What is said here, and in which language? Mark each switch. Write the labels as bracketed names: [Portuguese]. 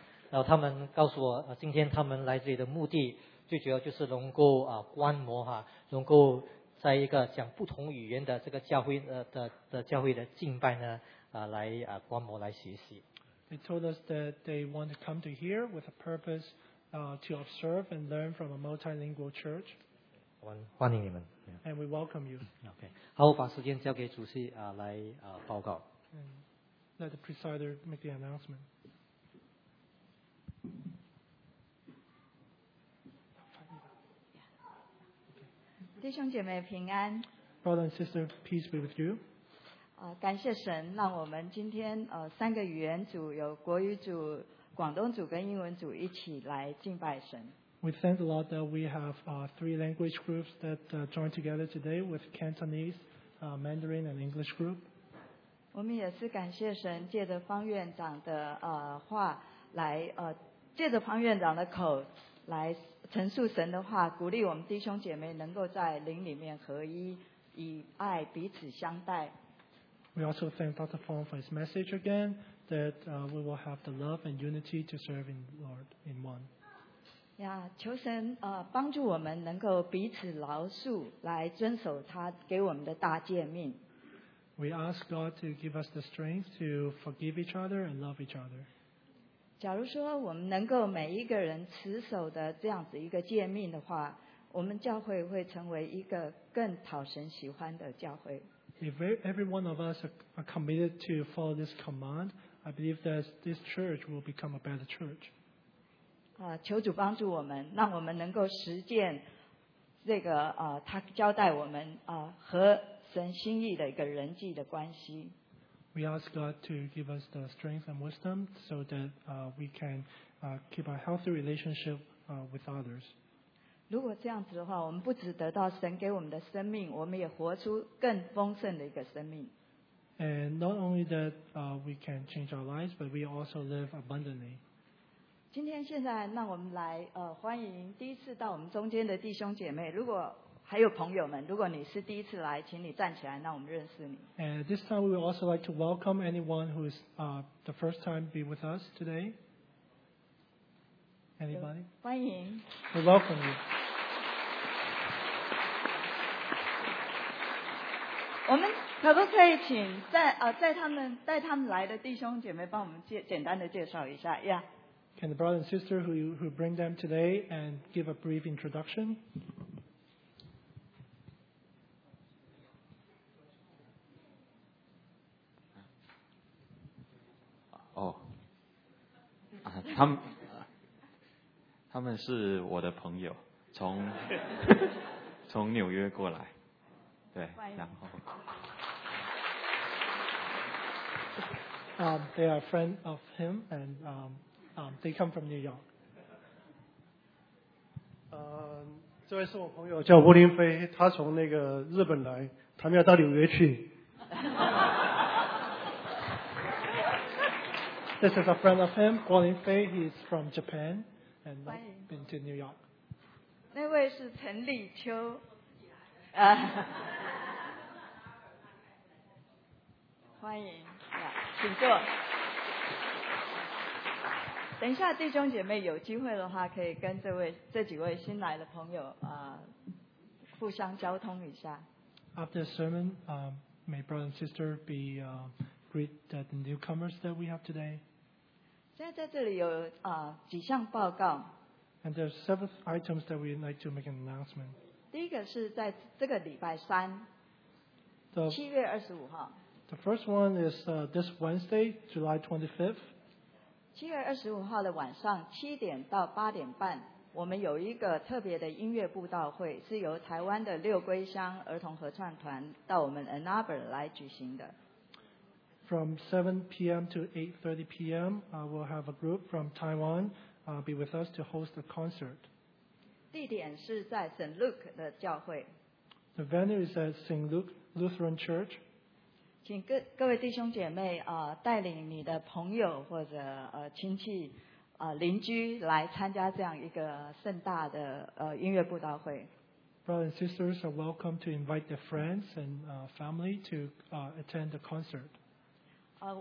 [Chinese] 然后他们告诉我，今天他们来这里的目的，最主要就是能够观摩能够在一个讲不同语言的这个教会的教会的敬拜呢，来观摩来学习。 [English] They told us that they want to come to here with a purpose to observe and learn from a multilingual church. [Chinese] 欢迎你们。 [English] And we welcome you. Okay. [Chinese] 好，我把时间交给主席来报告。 [English] Let the presider make the announcement. [Chinese] 弟兄姐妹平安。 [English] Brother and sister, peace be with you. [Chinese] 感谢神，让我们今天三个语言组，有国语组、广东组跟英文组一起来敬拜神。 [English] We thank the Lord that we have three language groups that joined together today with Cantonese, Mandarin, and English group. [Chinese] 我们也是感谢神借着方院长的话来借着方院长的口来陈述神的话，鼓励我们弟兄姐妹能够在灵里面合一，以爱彼此相待。 [English] We also thank Dr. Fong for his message again that we will have the love and unity to serve in the Lord in one. [Chinese] 求神帮助我们能够彼此饶恕，来遵守他给我们的大诫命。 [English] We ask God to give us the strength to forgive each other and love each other. [Chinese] 假如说我们能够每一个人持守的这样子一个诫命的话，我们教会会成为一个更讨神喜欢的教会。 [English] If every one of us are committed to follow this command, I believe that this church will become a better church. [Chinese] 求主帮助我们，让我们能够实践这个他交代我们和神心意的一个人际的关系。 [English] We ask God to give us the strength and wisdom so that we can keep a healthy relationship with others. [Chinese] 如果这样子的话，我们不只得到神给我们的生命，我们也活出更丰盛的一个生命。 [English] And not only that we can change our lives, but we also live abundantly. [Chinese] 今天现在让我们来欢迎第一次到我们中间的弟兄姐妹，如果还有朋友们，如果你是第一次来，请你站起来，让我们认识你。 [English] And this time we would also like to welcome anyone who is the first time be with us today. Anybody? [Chinese] 欢迎。 [English] We welcome you. [Chinese] 我们可不可以请带他们来的弟兄姐妹帮我们简单的介绍一下 ？Yeah. [English] Can the brother and sister who bring them today and give a brief introduction? [Chinese] Oh, 他们是我的朋友，从纽约过来，对，然后。 [English] They are a friend of him and. They come from New York. [Chinese] 这位是我朋友，叫吴林飞，他从那个日本来，他们要到纽约去。 [English] This is a friend of him, Guolin Fei. He's from Japan and been to New York. [Chinese] 那位是陈立秋。欢迎，请坐。等一下，弟兄姐妹有机会的话，可以跟这位这几位新来的朋友互相交通一下。 [English] After sermon, may brother and sister be greet that the newcomers that we have today. [Chinese] 现在在这里有几项报告。 [English] And there are several items that we'd like to make an announcement. [Chinese] 第一个是在这个礼拜三，七月二十五号。 [English] The first one is this Wednesday, July 25th. [Chinese] 七月二十五号的晚上七点到八点半，我们有一个特别的音乐布道会，是由台湾的六归乡儿童合唱团到我们 Ann Arbor 来举行的。 [English] From 7 p.m. to 8:30 p.m. We'll have a group from Taiwan be with us to host the concert. [Chinese] 地点是在 St. Luke 的教会。 [English] The venue is at St. Luke Lutheran Church. [Chinese] 请 各位弟兄姐妹带领你的朋友或者亲戚邻居来参加这样一个盛大的音乐布道会。 [English] Brothers and sisters are welcome to invite their friends and family to attend the concert.